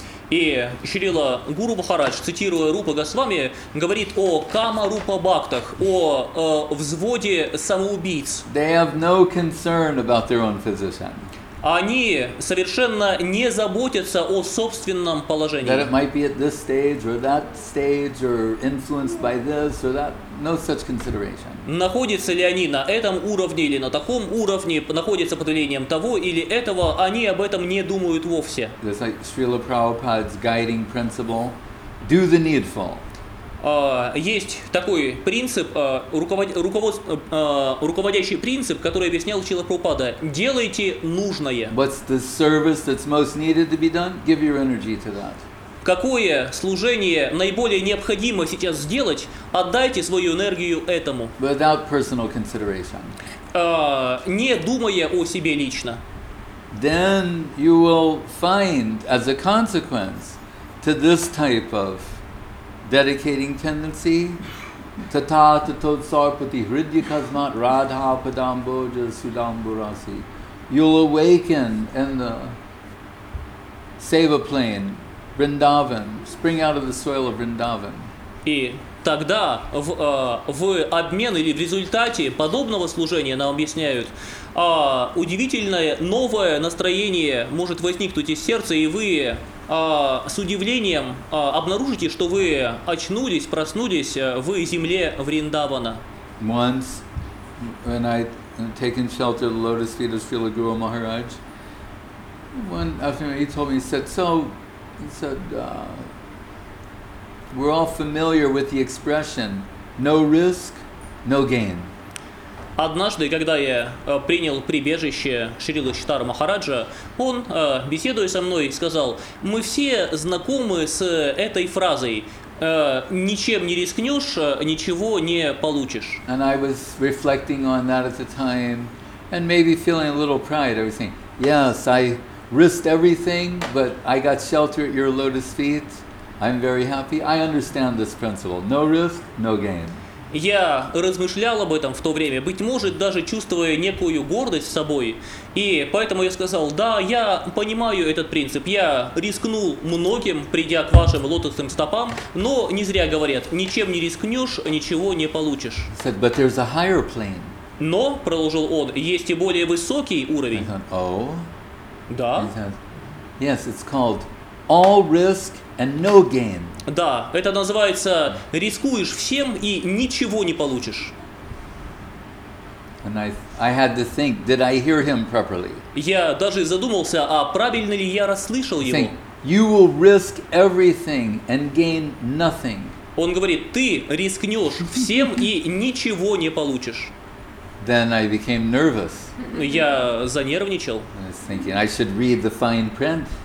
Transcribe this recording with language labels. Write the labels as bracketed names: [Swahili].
[Russian] И Шрила Гуру Махарадж, цитируя Рупа Госвами, говорит о кама-рупа-бхактах, о взводе самоубийц. [English] They have no concern about their own physician. [Russian] Они совершенно не заботятся о собственном положении. [English] That it might be at this stage or that stage or influenced by this or that. No such consideration. [Russian] Находятся ли они на этом уровне или на таком уровне, находятся под влиянием того или этого, они об этом не думают вовсе. [English] It's like Srila Prabhupada's guiding principle. Do the needful. [Russian] Есть такой принцип, руководящий принцип, который объяснял Шрила Прабхупада: делайте нужное. [English] What's the service that's most needed to be done? Give your energy to that. [Russian] Какое служение наиболее необходимо сейчас сделать, отдайте свою энергию этому. [English] Without personal consideration. [Russian] Не думая о себе лично. [English] Then you will find, as a consequence to this type of dedicating tendency, [Sanskrit] tata tatod sarpati hridya kasmat radha padamboja sudamburasi, [English] you'll awaken in the seva plane, Vrindavan, spring out of the soil of Vrindavan. [Russian] И тогда в обмен или в результате подобного служения нам объясняют, удивительное новое настроение может возникнуть из сердца, и вы с удивлением обнаружите, что вы очнулись, проснулись в земле Вриндавана. [English] Once when I taken shelter at the lotus feet of Srila Guru Maharaj, one afternoon he told me, he said, we're all familiar with the expression, no risk, no gain. [Russian] Однажды, когда я принял прибежище Шрилы Читара Махараджа, он, беседуя со мной, сказал: мы все знакомы с этой фразой, ничем не рискнешь, ничего не получишь. [English] And I was reflecting on that at the time, and maybe feeling a little pride, I was saying, yes, I risked everything, but I got shelter at your lotus feet. I'm very happy. I understand this principle. No risk, no gain. [Russian] Я размышлял об этом в то время, быть может, даже чувствуя некую гордость собой. И поэтому я сказал: да, я понимаю этот принцип. Я рискнул многим, придя к вашим лотосным стопам, но не зря говорят: ничем не рискнешь, ничего не получишь. [English] Said, but there's a higher plane. [Russian] Но, продолжил он, есть и более высокий уровень. [English] I thought, oh. [Russian] Да. [English] Said, yes, it's called all risk and no gain. [Russian] Да, это называется рискуешь всем и ничего не получишь. [English] And I had to think, did I hear him properly? [Russian] Я даже задумался, а правильно ли я расслышал его? [English] You will risk everything and gain nothing. [Russian] Он говорит, ты рискнешь всем и ничего не получишь. [English] Then I became nervous. [Russian] Я занервничал. [English] I was thinking I should read the fine print.